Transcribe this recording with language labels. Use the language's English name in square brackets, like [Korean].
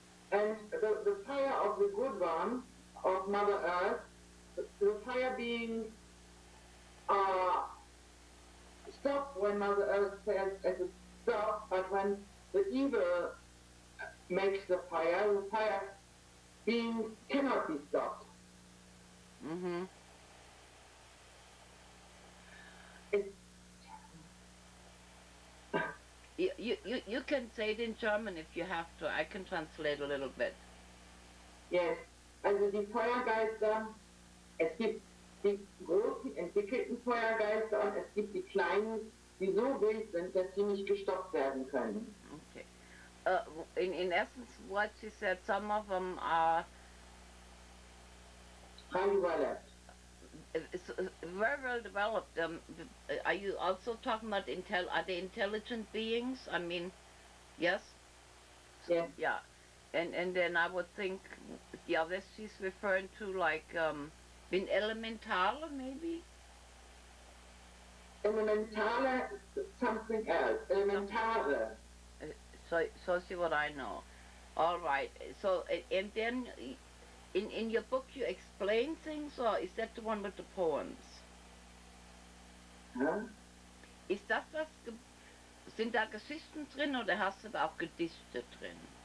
[English] And the fire of the good one, of Mother Earth, the fire being stopped when Mother Earth says it is stopped, but when the evil makes the fire being cannot be stopped. Mm-hmm. You can say it in German if you have to. I can translate a little bit. Yes. [German] Also die Feuergeister, es gibt die großen entwickelten Feuergeister und es gibt die kleinen, die so wild sind, dass sie nicht gestoppt werden können. [English] Okay. In essence, what she said, some of them are highly developed. It's very well developed. Are you also talking about are they intelligent beings? I mean, yes? Yes. Yeah. And then I would think the others she's referring to, like, in Elementale, maybe? Elementale, something else. Elementale. So see what I know. All right. So, and then... In your book, you explain things, or is that the one with the poems? Huh? [German] Ist das das? Sind da Geschichten drin, oder hast du da auch Gedichte drin?